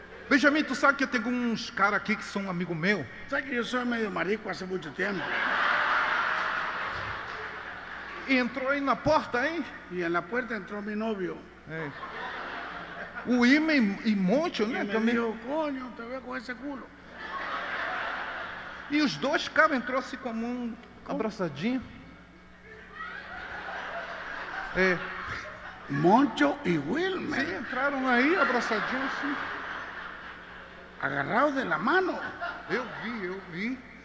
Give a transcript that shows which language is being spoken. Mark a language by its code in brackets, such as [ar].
[pt] Benjamin, tu sabe que eu tenho uns caras aqui que são amigo meu? Sabe que eu sou meio marico há muito tempo? E entrou aí na porta, hein? E na porta entrou meu novio. É. O Ime e Moncho, né? E me também. [es] Dijo, coño, te veo con ese culo. [pt] E os dois caras entrou assim com a mão abraçadinha. É. Moncho e Wilmer. Sim, entraram aí abraçadinhos assim. [es] Agarrados de la mano. [pt] Eu vi, eu vi.